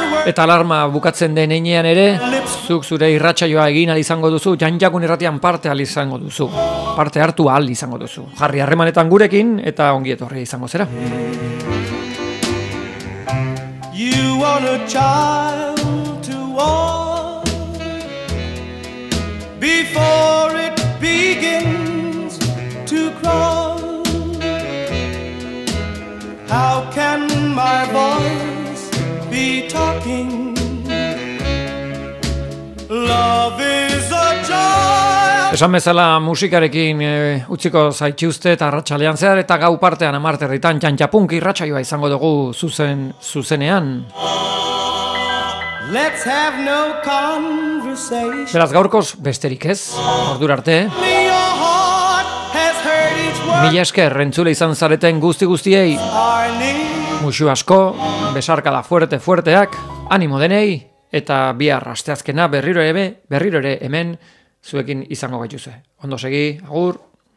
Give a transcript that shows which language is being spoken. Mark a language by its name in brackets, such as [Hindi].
[Basque] Eta alarma bukatzen den heinean ere, zuk zure irratsaioa egin ahal izango duzu, Jantzakun irratian parte ahal izango duzu. Parte hartu ahal izango duzu. Jarri harremanetan gurekin eta ongi etorri izango zera. [English] You want a child to walk before it begins. How can my voice be talking? Love is a joy. [Basque] Esan bezala musikarekin utziko zaitxuzte eta arratsalean zehar eta gau partean amarterritan Jantzapunk irratsaioa izango dugu zuzenean. [English] Let's have no conversation. [Basque] Beraz gaurkoz besterik ez, ordura arte. Mila esker, entzule izan zareten guzti-guztiei. Muxu asko, besarkada fuerte-fuerteak, animo denei, eta bihar asteazkena berriro ere hemen zuekin izango gaituzue. Ondo segi, agur!